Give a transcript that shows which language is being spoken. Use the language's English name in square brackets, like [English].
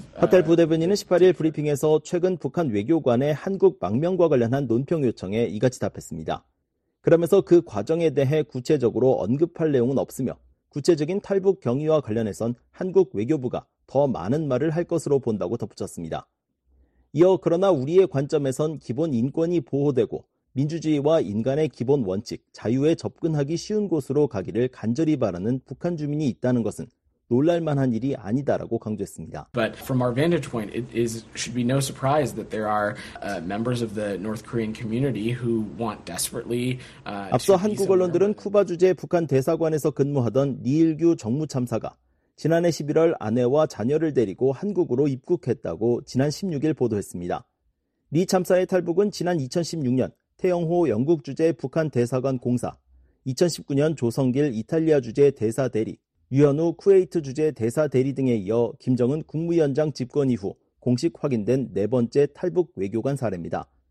[Korean] 파텔 부대변인은 18일 브리핑에서 최근 북한 외교관의 한국 망명과 관련한 논평 요청에 이같이 답했습니다. 그러면서 그 과정에 대해 구체적으로 언급할 내용은 없으며 구체적인 탈북 경위와 관련해선 한국 외교부가 더 많은 말을 할 것으로 본다고 덧붙였습니다. 이어 그러나 우리의 관점에선 기본 인권이 보호되고 민주주의와 인간의 기본 원칙, 자유에 접근하기 쉬운 곳으로 가기를 간절히 바라는 북한 주민이 있다는 것은 놀랄만한 일이 아니다라고 강조했습니다. [English] But from our vantage point, it is should be no surprise that there are members of the North Korean community who want desperately. [Korean] 앞서 한국 언론들은 쿠바 주재 북한 대사관에서 근무하던 리일규 정무참사가 지난해 11월 아내와 자녀를 데리고 한국으로 입국했다고 지난 16일 보도했습니다. 리 참사의 탈북은 지난 2016년 태영호 영국 주재 북한 대사관 공사, 2019년 조성길 이탈리아 주재 대사 대리, 유현우 쿠웨이트 주재 대사 대리 등에 이어 김정은 국무위원장 집권 이후 공식 확인된 네 번째 탈북 외교관 사례입니다.